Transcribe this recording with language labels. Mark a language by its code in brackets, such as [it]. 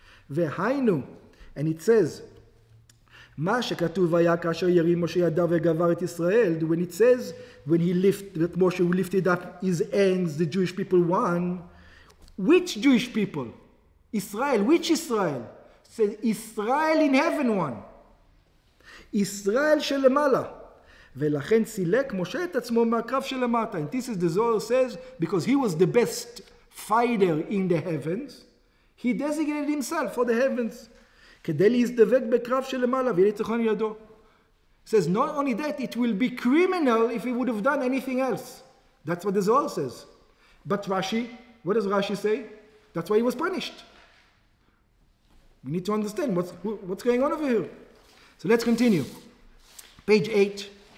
[he] Ve'hainu, [en] and it says." [he] מה שכתוב היה כאשר ירים משה ידיו וגבר את ישראל, [en] when it says, when he lifted, that Moshe lifted up his hands, the Jewish people won, which Jewish people? Israel, which Israel? Said Israel in heaven won. [he] Israel שלמעלה. ולכן סילק משה את עצמו מהקרב שלמטה. [en] And this is the Zohar says, because he was the best fighter in the heavens, he designated himself for the heavens. [he] כדי להזדבק בקרב שלמעלה, ויהיה ניצחון ידו. [en] Says, not only that, it will be criminal if he would have done anything else. That's what the Zohar says. But Rashi, what does Rashi say? That's why he was punished. We need to understand what's going on over here. So let's continue. Page 8.